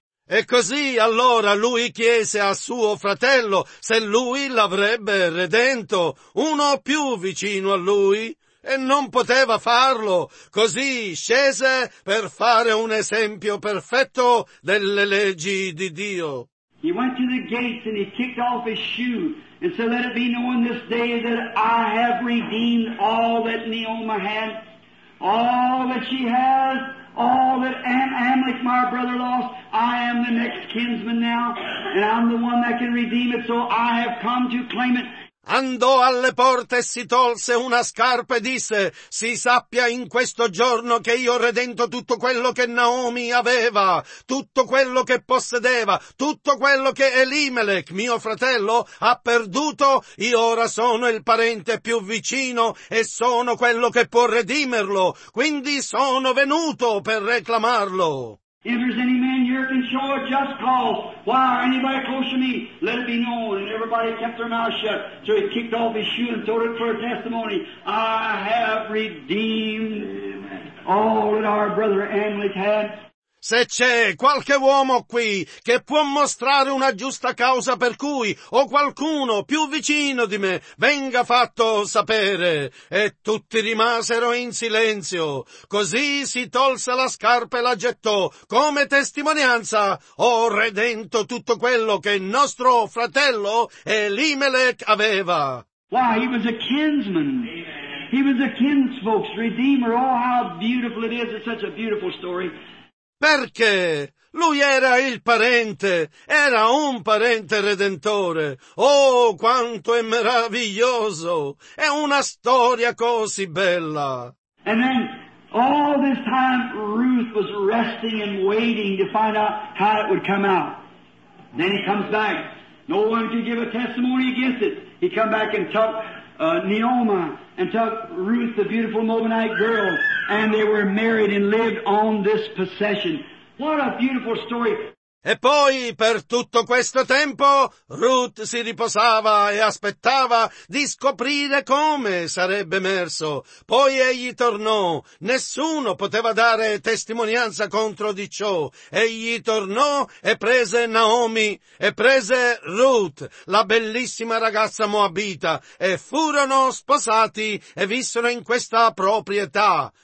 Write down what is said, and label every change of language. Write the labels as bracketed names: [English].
[Italian] E così allora lui chiese a suo fratello se lui l'avrebbe redento, uno più vicino a lui, e non poteva farlo, così scese per fare un esempio perfetto delle leggi di Dio. [English] He went to the gates and he kicked off his shoe and said, let it be known this day that I have redeemed all that Naomi had, all that she has. All that Amalek, my brother, lost, I am the next kinsman now, and I'm the one that can redeem it, so I have come to claim it. [Italian] Andò alle porte e si tolse una scarpa e disse, si sappia in questo giorno che io ho redento tutto quello che Naomi aveva, tutto quello che possedeva, tutto quello che Elimelech, mio fratello, ha perduto, io ora sono il parente più vicino e sono quello che può redimerlo, quindi sono venuto per reclamarlo. [English] If there's any man here can show a just cause, why are anybody close to me? Let it be known. And everybody kept their mouth shut. So he kicked off his shoe and threw it for a testimony. I have redeemed all that our brother Amalek had. [Italian] Se c'è qualche uomo qui che può mostrare una giusta causa per cui, o qualcuno più vicino di me, venga fatto sapere. E tutti rimasero in silenzio. Così si tolse la scarpa e la gettò come testimonianza. Ho redento tutto quello che il nostro fratello Elimelech aveva. [English] Wow, he was a kinsman. He was a kinsfolk's redeemer. Oh, how beautiful it is. It's such a beautiful story. [Italian] Perché? Lui era il parente, era un parente redentore. Oh, quanto è meraviglioso! È una storia così bella! [English] And then, all this time, Ruth was resting and waiting to find out how it would come out. Then he comes back. No one could give a testimony against it. He come back and took Naomi and took Ruth, the beautiful Moabite girl. And they were married and lived on this possession. What a beautiful story. [Italian] E poi, per tutto questo tempo, Ruth si riposava e aspettava di scoprire come sarebbe emerso. Poi egli tornò. Nessuno poteva dare testimonianza contro di ciò. Egli tornò e prese Naomi e prese Ruth, la bellissima ragazza moabita, e furono sposati e vissero in questa proprietà.